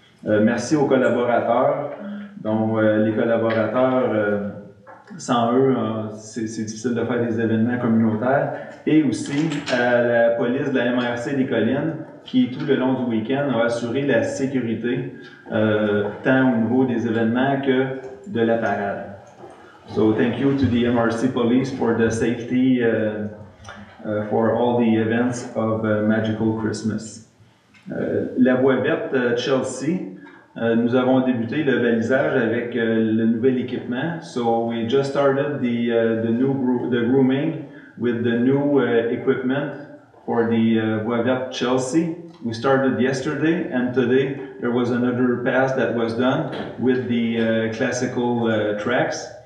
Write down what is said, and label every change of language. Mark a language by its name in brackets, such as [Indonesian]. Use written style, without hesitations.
[French] Merci aux collaborateurs, dont les collaborateurs, sans eux, hein, c'est difficile de faire des événements communautaires. Et aussi à la police de la MRC des Collines, qui tout le long du week-end a assuré la sécurité, tant au niveau des événements que de la parade. [English] So thank you to the MRC police for the safety for all the events of Magical Christmas. [French] La Voie verte Chelsea, nous avons débuté le balisage avec le nouvel équipement. [English] So we just started the grooming with the new equipment for the Voie verte Chelsea. We started yesterday, and today there was another pass that was done with the classical tracks.